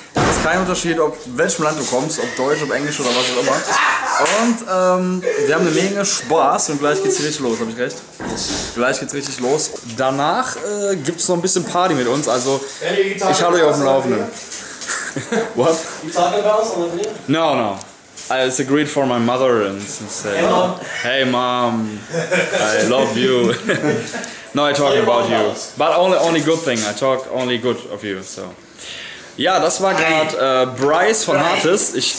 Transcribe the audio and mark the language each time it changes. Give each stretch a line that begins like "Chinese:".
German: Es ist kein Unterschied, ob welchem Land du kommst, ob Deutsch, ob Englisch oder was auch immer. Und wir haben eine Menge Spaß und gleich geht's richtig los, habe ich recht? Gleich geht's richtig los. Danach gibt es noch ein bisschen Party mit uns, also ich halte euch auf dem Laufenden.
English: What? No, no. I agreed for my mother and say, hey mom, I love you. Now I talk about you. But only good thing, I talk only good of you. So.
German: Ja, das war gerade Bryce von Hartest.